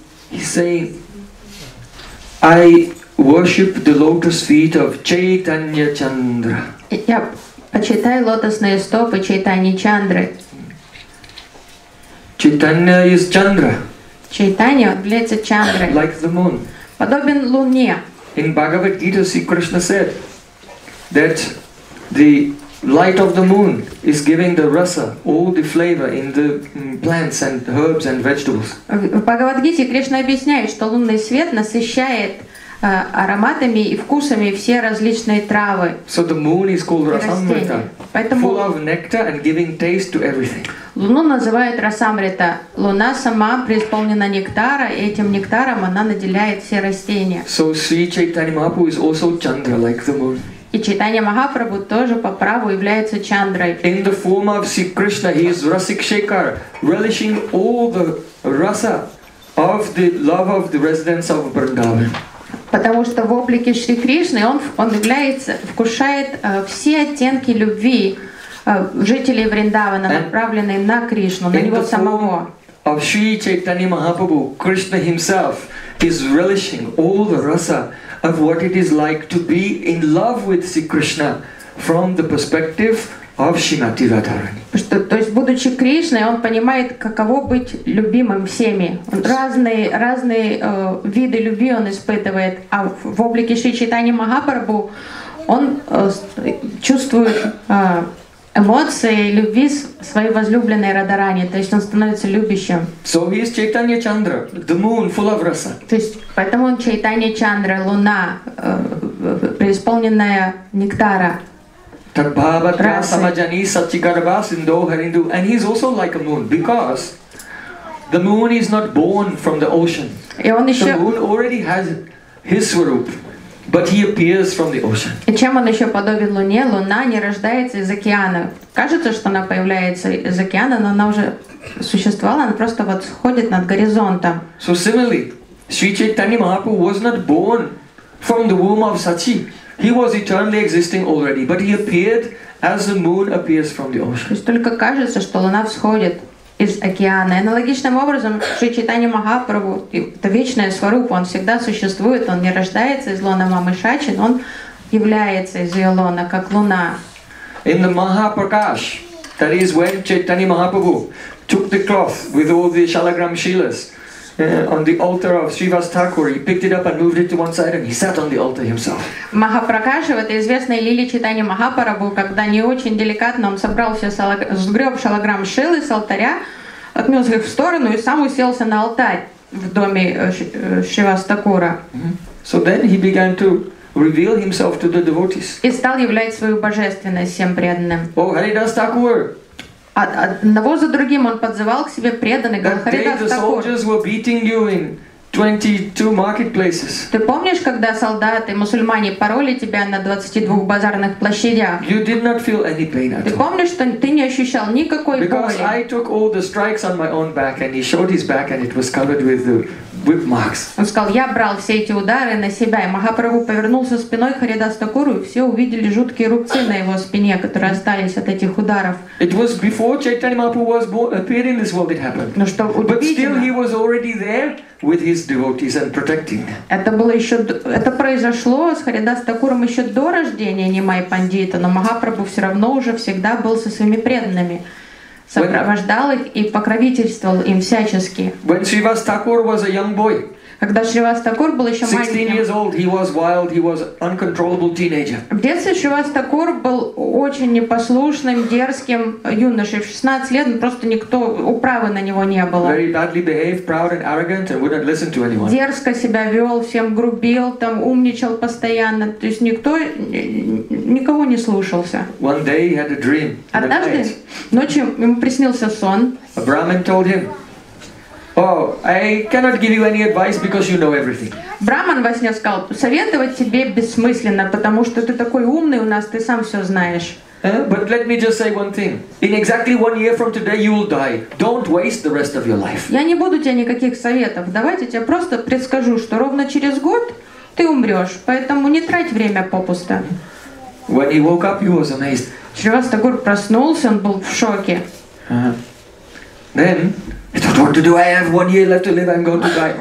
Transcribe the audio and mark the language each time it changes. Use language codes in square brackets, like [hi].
[en] He's saying, I worship the lotus feet of Chaitanya Chandra. [ru] Я почитаю лотосные стопы Чайтаньи Чандры. Чайтанья из Чандра. Чайтанья является Чандрой. [en] Like the moon. [ru] Подобен луне. [en] In Bhagavad Gita, Sri Krishna said that the light of the moon is giving the rasa, all the flavor in the plants and herbs and vegetables. [ru] В Бхагавад-гите Кришна объясняет, что лунный свет насыщает ароматами и вкусами все различные травы. [en] So the moon is called Rasamrita, full of nectar and giving taste to everything. [ru] Луну называют Расамрита. Луна сама преисполнена нектара, и этим нектаром она наделяет все растения. [en] So Sri Chaitanya Mahaprabhu is also Chandra, like the moon. [ru] И Чайтанья Махапрабху тоже по праву является Чандрой. [en] In the form of Sri Krishna, he is Rasikshekar, relishing all the rasa of the love of the residents of Vrindavan. [ru] Потому что в облике Шри Кришны он является, вкушает все оттенки любви жителей Вриндавана, направленные на Кришну, на него самого. [en] Of Sri Chaitanya Mahaprabhu, Krishna himself is relishing all the rasa of what it is like to be in love with Sri Krishna from the perspective of Shrimati Radharani. [ru] Что, то есть, будучи Кришной, он понимает, каково быть любимым всеми. Разные виды любви он испытывает, а в облике Шри Чайтаньи Махапрабху он чувствует эмоции любви своей возлюбленной Радарани, то есть он становится любящим. [en] So he is Chaitanya Chandra, the moon full of rasa. [ru] То есть поэтому он Чайтанья Чандра, луна, преисполненная нектара. [sa] Так баба тра самаджани сатчигарба синдохариндо, [en] and he is also like a moon because the moon is not born from the ocean. The moon already has his swarup. But he appears from the ocean. [ru] И чем он еще подобен луне? Луна не рождается из океана. Кажется, что она появляется из океана, но она уже существовала, она просто вот сходит над горизонтом. [en] So similarly, Sri Chaitanya Mahaprabhu was not born from the womb of Sachi. He was eternally existing already, but he appeared as the moon appears from the ocean. [ru] То есть только кажется, что луна всходит из океана. Аналогичным образом, Шри Чайтанья Махапрабху, это вечная сварупа, он всегда существует, он не рождается из лона мамы Шачи, но он является из ее лона, как луна. [en] In the Mahaprakash, that is when Chaitanya Mahaprabhu took the cloth with all the shalagram shilas on the altar of Srivas Thakur, he picked it up and moved it to one side and he sat on the altar himself. [ru] Махапракаша, в этой известной лиле Чайтаньи Махапрабху, когда не очень деликатно он собрал все, сгреб шалограмм шилы с алтаря, отнес их в сторону и сам уселся на алтарь в доме Шривас Такура. [en] So then he began to reveal himself to the devotees. [ru] И стал являть свою божественность всем преданным. [en] Oh, Haridas Thakur! [ru] Одного за другим он подзывал к себе преданных, говорил: «Харидас Такур». [en] That day the soldiers were beating you in 22 marketplaces. [ru] Ты помнишь, когда солдаты, мусульмане пороли тебя на 22 базарных площадях? [en] You did not feel any pain at all. [ru] Ты помнишь, что ты не ощущал никакой [en] Because I took all the strikes on my own back, and he showed his back, and it was covered with the whip marks. [ru] Он сказал: «Я брал все эти удары на себя». И Махапрабху повернулся спиной к Харидас Такуру, и все увидели жуткие рубцы на его спине, которые остались от этих ударов. [en] It was before Chaitanya Mahaprabhu was born, appeared in this world, it happened. [ru] Но что удивительно. [en] But still, he was already there with his devotees and protecting them. [ru] Это было еще, это произошло с Харидас Такуром еще до рождения Нимай Пандита, но Махапрабху все равно уже всегда был со своими преданными, сопровождал их и покровительствовал им всячески. [en] When Srivas Thakur was a young boy, [ru] когда Шривас Такур был еще маленьким, [en] 16 years old, he was wild, he was uncontrollable teenager. [ru] В детстве Шривас Такур был очень непослушным, дерзким юношей. В 16 лет просто никто управы на него не было. Very badly behaved, proud and arrogant, and wouldn't listen to anyone. Дерзко себя вел, всем грубил, там умничал постоянно. То есть никто никого не слушался. [en] One day he had a dream. [ru] Однажды ночью ему приснился сон. [en] A Brahmin told him, oh, I cannot give you any advice because you know everything. [ru] Браман во сне сказал: советовать тебе бессмысленно, потому что ты такой умный у нас, ты сам все знаешь. [en] But let me just say one thing. In exactly one year from today, you will die. Don't waste the rest of your life. [ru] Я не буду тебе никаких советов. Давайте тебе просто предскажу, что ровно через год ты умрешь, поэтому не трать время попусту. [en] When he woke up, he was amazed. [ru] Шривастагур проснулся, он был в шоке. [en] Then he thought, what to do? I have 1 year left to live. I'm going to die.